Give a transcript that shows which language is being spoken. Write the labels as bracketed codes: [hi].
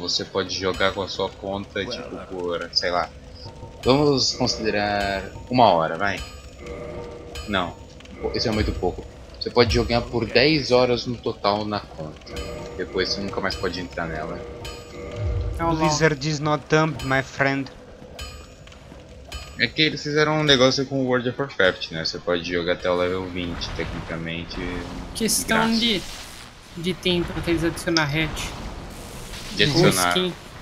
[pt] Você pode jogar com a sua conta, well, tipo, por, sei lá. Vamos considerar uma hora, vai. Não, isso é muito pouco. Você pode jogar por 10 horas no total na conta. Depois você nunca mais pode entrar nela. [en] Blizzard is not dumb, my friend. [pt] É que eles fizeram um negócio com o World of Warcraft, né? Você pode jogar até o level 20, tecnicamente. Questão de tempo pra eles adicionar hatch. De adicionar.